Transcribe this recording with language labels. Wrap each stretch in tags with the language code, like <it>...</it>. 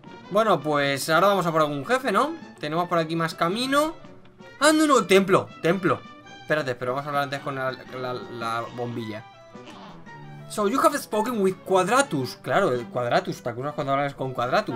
<es>Bueno, pues ahora vamos a por algún jefe, ¿no? Tenemos por aquí más camino. ¡Ah, no, no! ¡Templo! ¡Templo! Espérate, pero vamos a hablar antes con la bombilla.</es> <en>So, you have spoken with Quadratus.</en> <es>Claro, el Quadratus, ¿te acuerdas cuando hablas con Quadratus?</es>